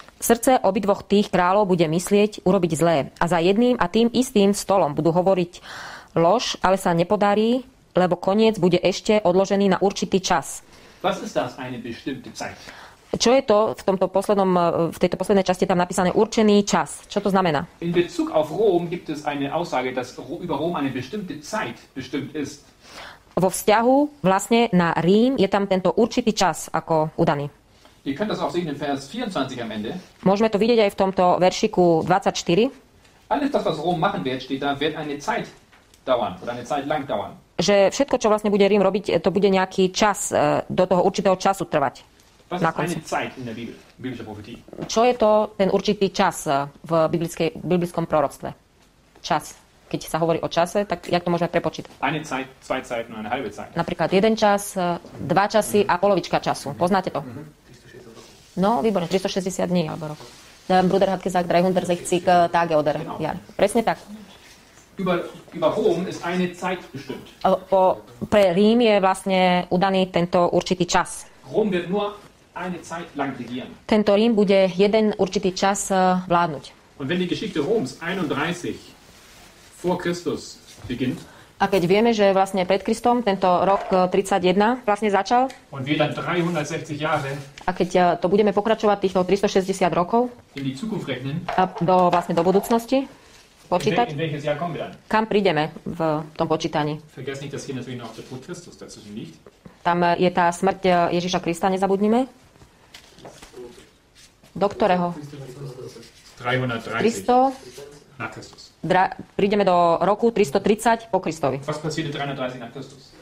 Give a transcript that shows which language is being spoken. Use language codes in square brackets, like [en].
[sk] Srdce obidvoch tých kráľov bude myslieť urobiť zlé. A za jedným a tým istým stolom budú hovoriť lož, ale sa nepodarí, lebo koniec bude ešte odložený na určitý čas. [de] Was ist das, eine bestimmte Zeit? [sk] Čo je to v tomto poslednom, v tejto poslednej časti tam napísané určený čas? Čo to znamená? [de] In Bezug auf Rom gibt es eine Aussage, dass über Rom eine bestimmte Zeit bestimmt ist. [sk] Vo vzťahu vlastne na Rím je tam tento určitý čas ako udaný. [de] Ihr könnt das auch sehen in Vers 24 am Ende. [sk] Môžeme to vidieť aj v tomto veršiku 24. [de] Alles das, was Rom machen wird, steht da, wird eine Zeit dauern oder eine Zeit lang dauern. [sk] Že všetko, čo vlastne bude Rím robiť, to bude nejaký čas do toho určitého času trvať. [de] Was ist eine Zeit in der Bibel, biblische Prophetie? [sk] Čo je to ten určitý čas v biblickom proroctve? Čas. Keď sa hovorí o čase, tak jak to môžeme prepočítať? [de] Eine Zeit, zwei Zeiten und eine halbe Zeit. [sk] Napríklad jeden čas, dva časy a polovička času. Poznáte to? No, výborné, 360 dní alebo rok. [de] Bruder hat gesagt, 360 Tage oder Jahre. [sk] Presne tak. [de] Über Rom ist eine Zeit bestimmt. [sk] Pre Rím je vlastne udaný tento určitý čas. [de] Rom wird nur eine Zeit lang regieren. [sk] Tento Rím bude jeden určitý čas vládnuť. [de] Und wenn die Geschichte Roms 31 vor Christus beginnt, [sk] a keď vieme, že vlastne pred Kristom tento rok 31 vlastne začal. [de] Und wir dann 360 Jahre. [sk] A keď to budeme pokračovať týchto 360 rokov. [de] In die Zukunft rechnen. [sk] A do vlastne do budúcnosti počítať. [de] In welches Jahr kommen wir dann? [sk] Kam prídeme v tom počítaní? [de] Vergesst nicht, dass hier natürlich noch der Tod Christus dazwischen liegt. [sk] Tam je tá smrť Ježiša Krista, nezabudnime. Do ktorého? 330. Kristo. Na Kristus. Prídeme do roku 330 po Kristovi. [de] Was passiert 330 nach Christus?